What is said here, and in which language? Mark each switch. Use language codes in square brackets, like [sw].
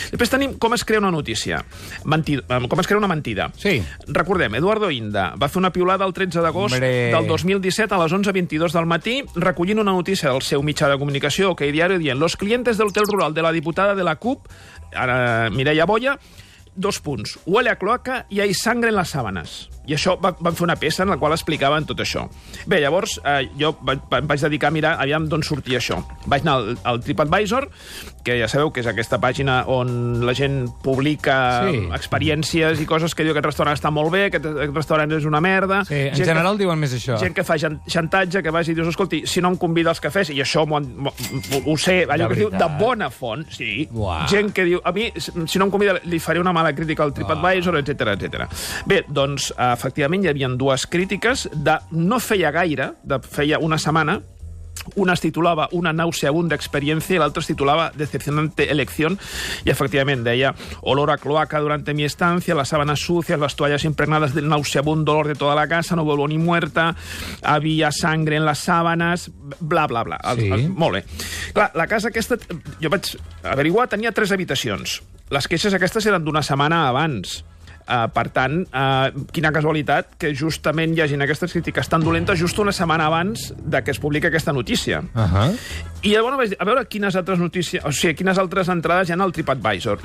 [ca] Després tenim com es crea una notícia. Com es crea una mentida. Sí. Recordem, Eduardo Inda va fer una piulada el 13 d'agost del 2017 a les 11:22 del matí, recollint una notícia del seu mitjà de comunicació, OK Diario, dient [es] «Los clientes del hotel rural de la diputada de la CUP, Mireia Boya, [ca] 2 punts. [es] Huele a cloaca y hay sangre en las sábanas». [ca] I això van fer una peça en la qual explicaven tot això. Bé, llavors, jo em vaig dedicar a mirar aviam d'on sortia això. Vaig anar al TripAdvisor, que ja sabeu que és aquesta pàgina on la gent publica experiències i coses que diu que aquest restaurant està molt bé, que aquest restaurant és una merda... Sí, en general diuen més això. Gent que fa xantatge, que vagi i dius, escolti, si no em convida als cafès, i això ho sé, allò que diu, de bona font, sí. Gent que diu, a mi, si no em convida, li faré una mala crítica al TripAdvisor, etc. Bé, doncs, efectivament hi havia dues crítiques de no feia gaire, de feia una setmana. Una es titulava [es] Una nauseabunda experiencia y la otra es titulaba Decepcionante elección. Y efectivamente, ella, olor a cloaca durante mi estancia, las sábanas sucias, las toallas impregnadas del nauseabundo olor de toda la casa, no vuelvo ni muerta, había sangre en las sábanas, bla, bla, bla. Sí. [ca] Molt bé. Clar, la casa aquesta, jo vaig averiguar, tenia tres habitacions. Les queixes aquestes eren d'una setmana abans. Per tant, quina casualitat que justament hi hagin aquestes crítiques tan dolentes just una setmana abans de que es publica aquesta notícia. I llavors vaig dir, a veure quines altres notícies, o sigui, quines altres entrades hi ha al TripAdvisor.